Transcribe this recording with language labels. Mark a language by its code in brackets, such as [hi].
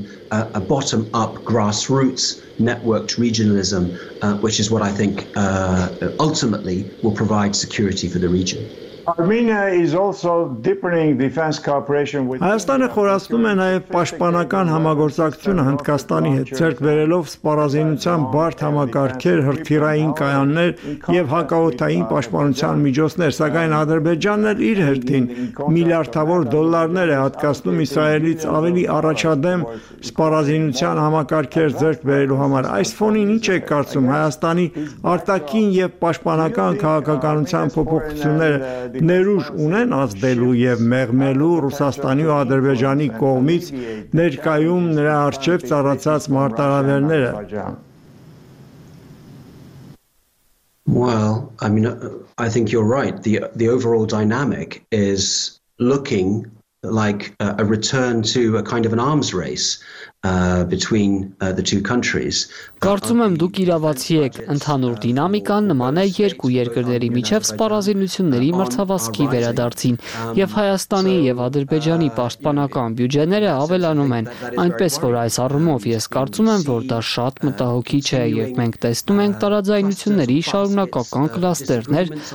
[en] A bottom-up grassroots networked regionalism, which is what I think ultimately will provide security for the region. Armenia is also deepening defense cooperation with [hy] Հայաստանը խորացնում է նաև պաշտպանական համագործակցությունը Հնդկաստանի հետ, ձեռք բերելով սպառազինության բարդ համակարգեր, հրթիռային կայաններ և հակաօդային պաշտպանության միջոցներ, սակայն Ադրբեջանն էլ իր հերթին միլիարդավոր դոլարներ է հատկացնում Իսրայելից ավելի առաջադեմ սպառազինության համակարգեր ձեռք բերելու համար։ Այս ֆոնին ինչ եք կարծում, Հայաստանի արտաքին և պաշտպանական քաղաքականության փոփոխությունները ներուժ ունեն ազդելու և մեղմելու Ռուսաստանի ու Ադրբեջանի կողմից ներկայում նրա առջև ծառացած մարտահրավերները։ [en] Well, I mean, I think you're right. The overall dynamic is looking like a return to a kind of an arms race between the two countries. [hy] Կարծում եմ, դուք իրավացի եք, ընդհանուր դինամիկան նման է երկու երկրների միջև սպառազինությունների մրցավազքի վերադարձին, եւ Հայաստանի եւ Ադրբեջանի պաշտպանական բյուջեները ավելանում են, այնպես որ այս առումով ես կարծում եմ, որ դա շատ մտահոգիչ է, եւ մենք տեսնում ենք տարաձայնությունների շարունակական կլաստերներ